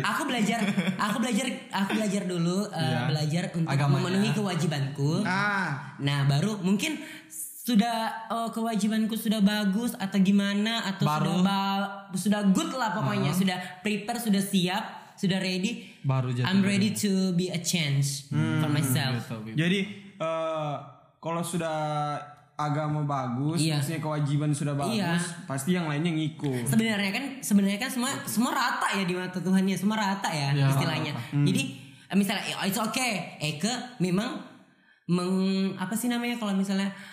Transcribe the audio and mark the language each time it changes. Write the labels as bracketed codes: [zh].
[id] Aku belajar dulu belajar untuk agamanya. Memenuhi kewajibanku. Ah. Nah baru mungkin sudah kewajibanku sudah bagus atau gimana atau baru. Sudah good lah pokoknya, sudah prepare, sudah siap, sudah ready. Baru jatuh. [en] I'm ready to be a change for myself. [id] Gitu, gitu. Jadi kalau sudah agama bagus, maksudnya kewajiban sudah bagus, pasti yang lainnya ngikut. Sebenarnya kan semua semua rata ya di mata Tuhan, ya semua rata ya, ya istilahnya. Jadi misalnya [en] it's okay, [id] Eke memang apa sih namanya kalau misalnya